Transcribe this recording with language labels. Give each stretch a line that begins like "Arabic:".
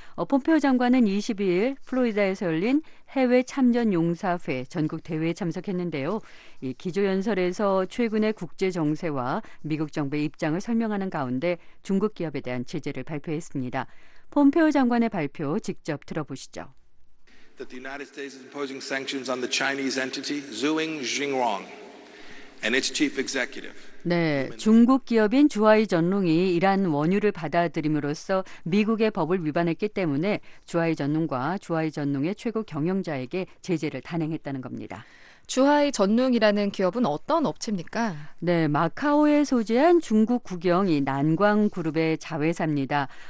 Korean: 폼페오 장관은 22일 플로리다에서 열린 해외 참전용사회 전국 대회에 참석했는데요. 이 기조연설에서 최근의 국제정세와 미국 정부의 입장을 설명하는 가운데 중국 기업에 대한 제재를 발표했습니다. 폼페오 장관의 발표 직접 들어보시죠.
English: That the United States is imposing sanctions on the Chinese entity Zhuang Jingrong and its chief executive.
Korean: 네, 중국 기업인 주하이 전룽이 이란 원유를 받아들임으로써 미국의 법을 위반했기 때문에 주하이 전룽과 주하이 전룽의 최고 경영자에게 제재를 단행했다는 겁니다. 주하이 전룽이라는 기업은 어떤 업체입니까? 네, 마카오에 소재한 중국 국영 이 난광 그룹의 자회사입니다.